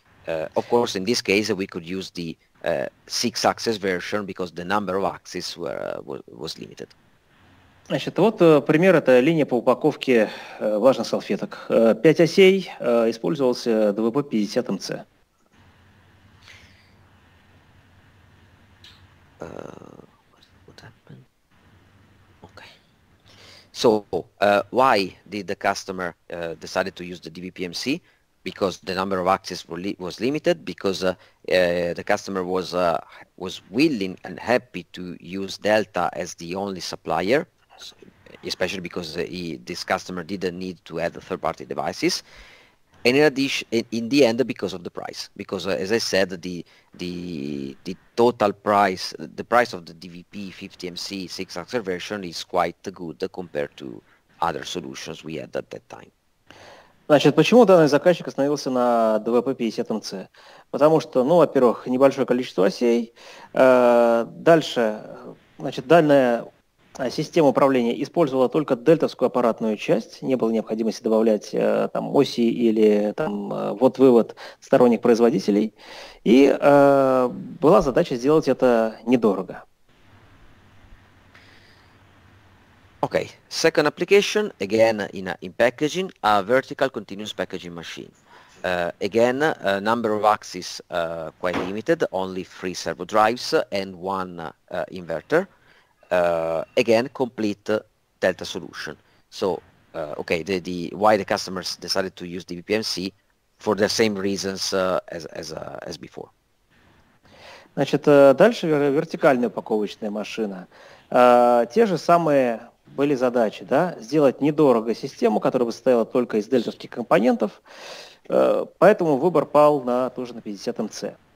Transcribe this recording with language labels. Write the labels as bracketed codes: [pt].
[en] Of course, in this case, we could use the 6-axis version because the number of axes was limited. [ru] Значит, вот пример, это линия по упаковке влажных салфеток. 5 осей, использовался DVP-50MC. [en] So why did the customer decided to use the DVP-MC? Because the number of axes was limited, because the customer was willing and happy to use Delta as the only supplier, especially because this customer didn't need to add third-party devices. And in addition, in the end, because of the price, because as I said, the total price, the price of the DVP-50MC 6-axis version is quite good compared to other solutions we had at that time. [ru] Значит, почему данный заказчик остановился на DVP-50MC? Потому что, ну, во-первых, небольшое количество осей. Дальше, значит, дальняя система управления использовала только дельтовскую аппаратную часть. Не было необходимости добавлять там оси или там вот-вывод сторонних производителей. И была задача сделать это недорого. [en] Okay, second application, again in packaging, a vertical continuous packaging machine. Again, a number of axes quite limited, only three servo drives and one inverter. Again, complete Delta solution. So, okay, the why the customers decided to use DVP-MC for the same reasons as before. [ru] Значит, дальше вертикальная упаковочная машина. Те же самые были задачи, да, сделать недорого систему, которая бы состояла только из дельтовских компонентов, поэтому выбор пал на тоже на 50MC.